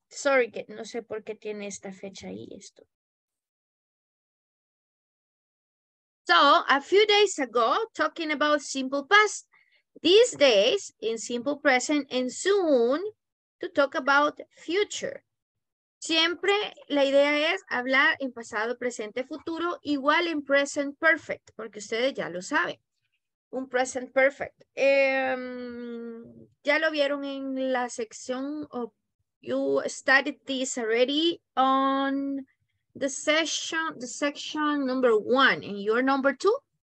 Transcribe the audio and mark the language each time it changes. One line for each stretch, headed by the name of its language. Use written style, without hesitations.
Spanish: Sorry, que no sé por qué tiene esta fecha ahí esto.
English: So, a few days ago, talking about simple past, these days in simple present, and soon to talk about future.
Spanish: Siempre la idea es hablar en pasado, presente, futuro, igual en present perfect, porque ustedes ya lo saben.
English: Un present perfect. Ya lo vieron en la sección, of, you studied this already on the section number one, and you're number two.